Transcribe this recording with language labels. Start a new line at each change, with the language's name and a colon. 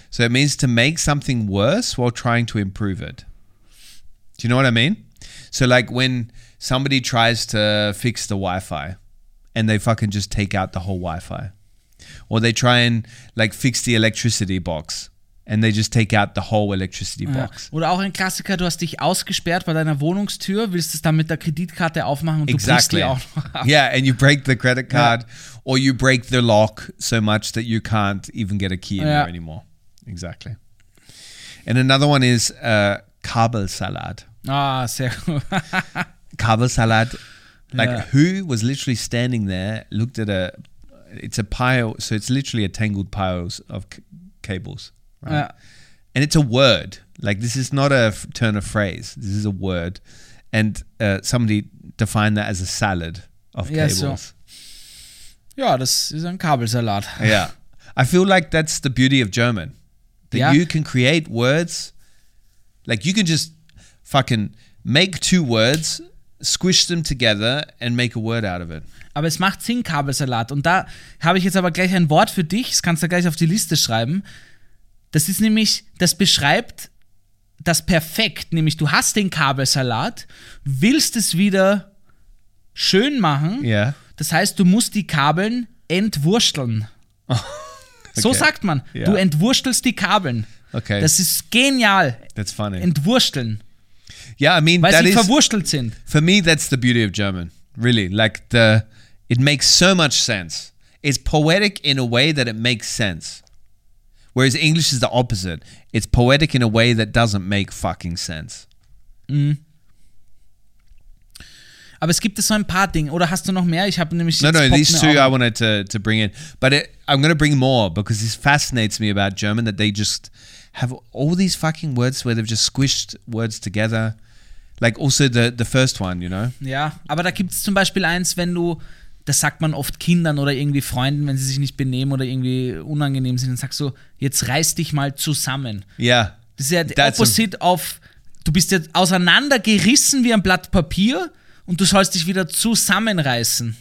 English: So it means to make something worse while trying to improve it. Do you know what I mean? So like when somebody tries to fix the Wi-Fi and they fucking just take out the whole Wi-Fi. Or they try and like fix the electricity box and they just take out the whole electricity box.
German: Oder auch ein Klassiker, du hast dich ausgesperrt bei deiner Wohnungstür, willst es dann mit der Kreditkarte aufmachen und
English: exactly.
German: Du brichst die auch noch ab.
English: Yeah, and you break the credit card or you break the lock so much that you can't even get a key in there anymore. Exactly. And another one is Kabelsalat.
German: Ah, sehr gut. Kabelsalat.
English: Like who was literally standing there, looked at a... It's a pile, so it's literally a tangled pile of cables, right? And it's a word. Like, this is not a turn of phrase. This is a word. And somebody defined that as a salad of cables.
German: Ja, so. Ja, das ist ein Kabelsalat.
English: Yeah. I feel like that's the beauty of German. That you can create words. Like, you can just fucking make two words, squish them together and make a word out of it.
German: Aber es macht Sinn, Kabelsalat. Und da habe ich jetzt aber gleich ein Wort für dich. Das kannst du gleich auf die Liste schreiben. Das ist nämlich, das beschreibt das perfekt. Nämlich, du hast den Kabelsalat, willst es wieder schön machen. Ja.
English: Yeah.
German: Das heißt, du musst die Kabeln entwursteln.
English: Okay.
German: So sagt man.
English: Yeah.
German: Du entwurstelst die Kabeln.
English: Okay.
German: Das ist genial.
English: That's funny.
German: Entwursteln.
English: Yeah, I mean,
German: weil
English: that
German: sie
English: is,
German: verwurstelt sind.
English: For me, that's the beauty of German. Really, like the, it makes so much sense. It's poetic in a way that it makes sense. Whereas English is the opposite. It's poetic in a way that doesn't make fucking sense. Mm.
German: Aber es gibt so ein paar Dinge. Oder hast du noch mehr? Ich habe nämlich
English: no, these two I wanted to bring in. But I'm going to bring more because this fascinates me about German that they just have all these fucking words where they've just squished words together. Like also the first one, you know?
German: Ja, aber da gibt es zum Beispiel eins, wenn du, das sagt man oft Kindern oder irgendwie Freunden, wenn sie sich nicht benehmen oder irgendwie unangenehm sind, dann sagst du, jetzt reiß dich mal zusammen. Ja.
English: Yeah.
German: Das ist ja der Opposite auf, du bist ja auseinandergerissen wie ein Blatt Papier und du sollst dich wieder zusammenreißen.